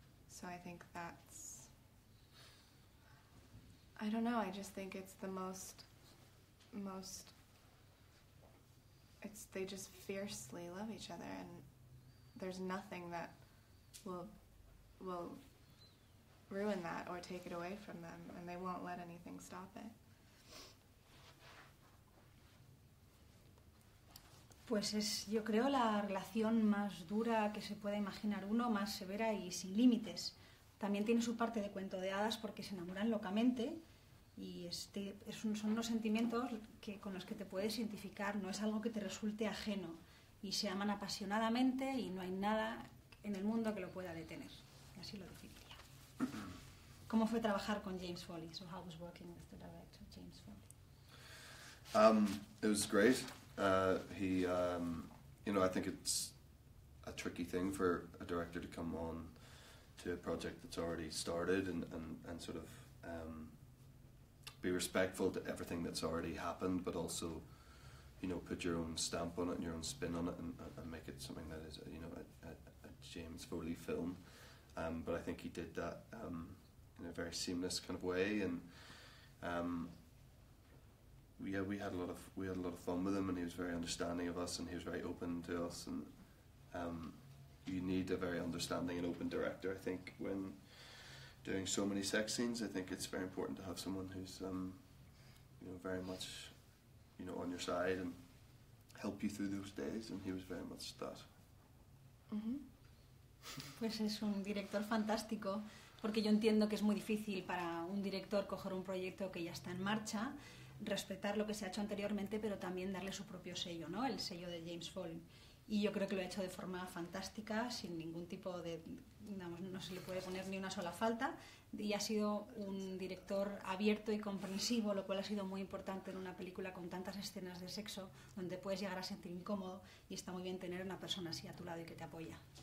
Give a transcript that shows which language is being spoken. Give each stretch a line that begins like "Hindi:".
English: So I think that's, I don't know, I just think it's the most, it's, they just fiercely love each other and there's nothing that will ruin that or take it away from them, and they won't let anything stop it.
Spanish: Pues es, yo creo, la relación más dura que se pueda imaginar uno, más severa y sin límites. También tiene su parte de cuento de hadas porque se enamoran locamente y este, es un, son unos sentimientos que, con los que te puedes identificar, no es algo que te resulte ajeno. Y se aman apasionadamente y no hay nada en el mundo que lo pueda detener. Y así lo definiría. ¿Cómo fue trabajar con James Foley?
English: So how was working with the director, James Foley? It was great. I think it's a tricky thing for a director to come on to a project that's already started and sort of be respectful to everything that's already happened, but also, you know, put your own stamp on it and your own spin on it and make it something that is, you know, a James Foley film. But I think he did that in a very seamless kind of way. Yeah, we had a lot of fun with him, and he was very understanding of us, and he was very open to us. And you need a very understanding and open director, I think, when doing so many sex scenes. I think it's very important to have someone who's, very much, on your side and help you through those days. And he was very much that. Mm-hmm.
Spanish: Pues es un director fantástico, porque yo entiendo que es muy difícil para un director coger un proyecto que ya está en marcha, respetar lo que se ha hecho anteriormente, pero también darle su propio sello, ¿no? El sello de James Foley. Y yo creo que lo ha hecho de forma fantástica, sin ningún tipo de, digamos, no se le puede poner ni una sola falta, y ha sido un director abierto y comprensivo, lo cual ha sido muy importante en una película con tantas escenas de sexo, donde puedes llegar a sentir incómodo, y está muy bien tener una persona así a tu lado y que te apoya.